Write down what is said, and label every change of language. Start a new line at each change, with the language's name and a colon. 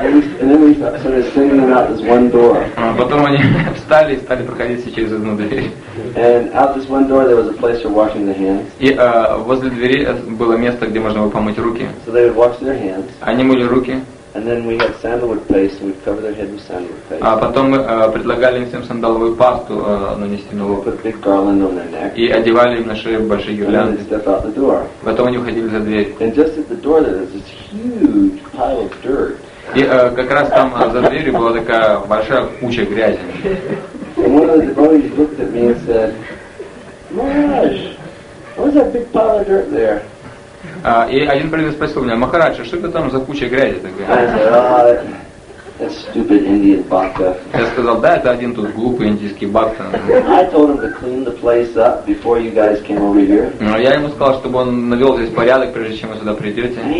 English: And then we started singing them out this one door.
Russian: Потом они встали и стали проходить все через одну дверь.
English: And out this one door there was a place for washing the hands.
Russian: И возле двери было место, где можно было помыть руки.
English: So they would wash their hands.
Russian: Они мыли руки.
English: And then we had sandalwood paste, and we'd cover their head with sandalwood paste.
Russian: А потом мы предлагали им всем сандаловую пасту нанести на лоб.
English: Put big garland on their neck.
Russian: И одевали им на шею большие гирлянды.
English: And then they step out the door.
Russian: Потом они уходили за дверь.
English: And just at the door, there was this huge pile of dirt.
Russian: И как раз там за дверью была такая большая куча грязи.
English: And one of the devotees looked at me and said, "Maharaj, what was that big pile of dirt there?"
Russian: И один преданный спросил меня, Махарадж, а что это там за куча грязи такая? Я сказал, да, это один тут глупый индийский бхакта. Но я ему сказал, чтобы он навел здесь порядок, прежде чем вы сюда придете.